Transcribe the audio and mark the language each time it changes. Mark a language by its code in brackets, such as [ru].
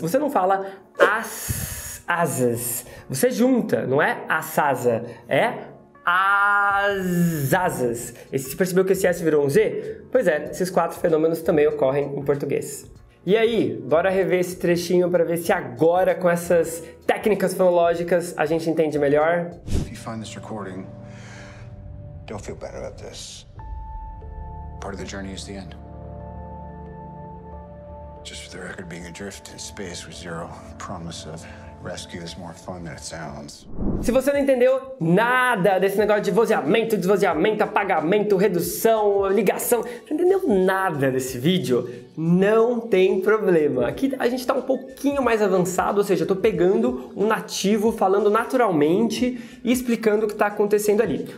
[pt] Você não fala as asas. Você junta, não é asasa, é as asas. E você percebeu que esse S virou um Z? Pois é, esses quatro fenômenos também ocorrem em português. E aí, bora rever esse trechinho para ver se agora com essas técnicas fonológicas a gente entende melhor. [en] If you find this recording, don't feel bad about this. Part of the journey is the end. Just for the record, being adrift in space with zero promise of rescue is more fun than it sounds. [pt] Se você não entendeu nada desse negócio de vozeamento, desvozeamento, apagamento, redução, ligação, não entendeu nada desse vídeo, não tem problema. Aqui a gente está um pouquinho mais avançado, ou seja, eu tô pegando um nativo falando naturalmente e explicando o que está acontecendo ali.